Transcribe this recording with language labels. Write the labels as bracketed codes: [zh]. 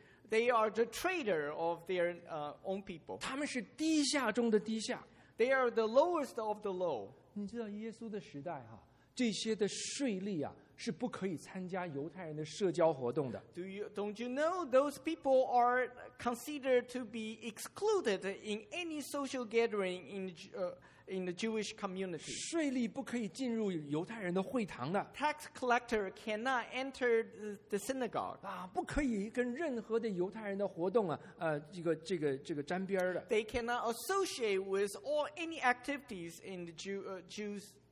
[en] They are the traitor of their own people. [zh] 他们是低下中的低下。 [en] They are the lowest of the low. [zh] 你知道耶稣的时代啊, 这些的税吏啊, 是不可以参加犹太人的社交活动的。 [en] Don't you know those people are considered to be excluded in any social gathering in the Jewish community? [zh] 税吏不可以进入犹太人的会堂的。 [en] Tax collector cannot enter the synagogue. [zh] 啊, 不可以跟任何的犹太人的活动啊, 这个沾边的。 [en] They cannot associate with all any activities in the Jews.